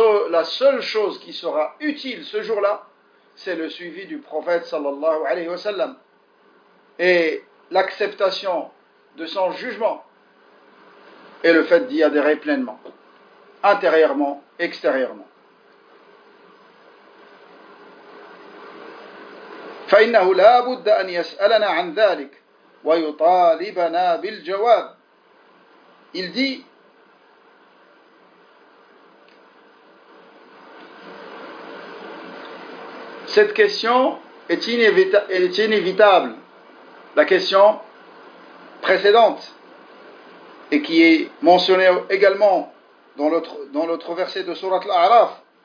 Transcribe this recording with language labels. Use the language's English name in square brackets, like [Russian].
[French] La seule chose qui sera utile ce jour-là, c'est le suivi du prophète sallallahu alayhi wa sallam et l'acceptation de son jugement et le fait d'y adhérer pleinement, intérieurement, extérieurement. [Arabic] فإنه لا بد أن يسألنا عن ذلك ويطالبنا بالجواب. [French] Il dit cette question est inévitable. La question précédente et qui est mentionnée également dans l'autre verset de sourate Al-A'raf.